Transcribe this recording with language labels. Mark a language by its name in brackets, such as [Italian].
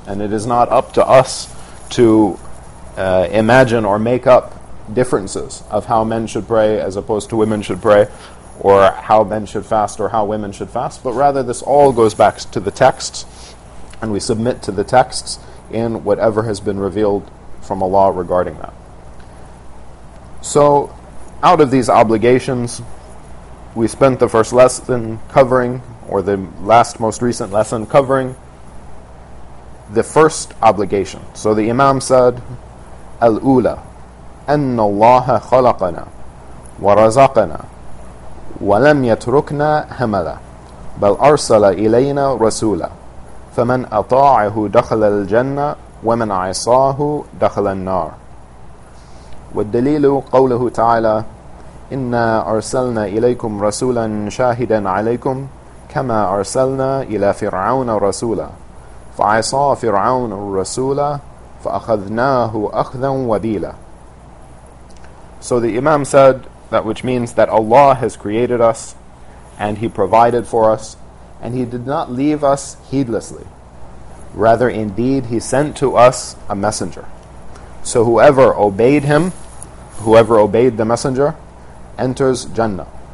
[English] And it is not up to us to imagine or make up differences of how men should pray as opposed to women should pray, or how men should fast or how women should fast, but rather this all goes back to the texts, and we submit to the texts in whatever has been revealed from Allah regarding that. So out of these obligations, we spent the first lesson covering, or the last most recent lesson covering, the first obligation. So the Imam said, [Arabic] Al-Ula, أن الله خلقنا ورزقنا ولم يتركنا هملا بل أرسل إلينا رسولا فمن أطاعه دخل الجنة ومن عصاه دخل النار. والدليل قوله تعالى إنا أرسلنا إليكم رسولا شاهدا عليكم كما أرسلنا إلى فرعون رسولا فعصى فرعون الرسول فأخذناه أخذا وبيلا. [English] So the Imam said that, which means that Allah has created us and He provided for us, and He did not leave us heedlessly. Rather, indeed, He sent to us a messenger. So whoever obeyed Him, whoever obeyed the messenger, enters Jannah.